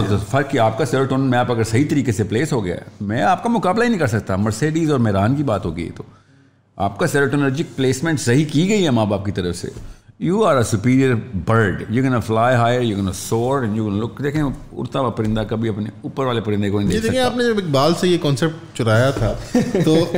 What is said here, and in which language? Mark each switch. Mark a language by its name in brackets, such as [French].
[Urdu] فرق کہ آپ کا سیروٹونن میپ اگر صحیح طریقے سے پلیس ہو گیا ہے, میں آپ کا مقابلہ ہی نہیں کر سکتا. مرسیڈیز اور میران کی بات ہوگی, تو آپ کا سیروٹونرجک پلیسمنٹ صحیح کی گئی ہے ماں باپ کی طرف سے. [English] You are a superior bird. You're going to fly higher, you're going to soar, and you're going to look. [Urdu] دیکھیں اڑتا ہوا پرندہ کبھی اپنے اوپر والے پرندے کو نہیں دیکھ سکتا. دیکھیں آپ نے جب اقبال سے یہ کانسیپٹ چرایا تھا تو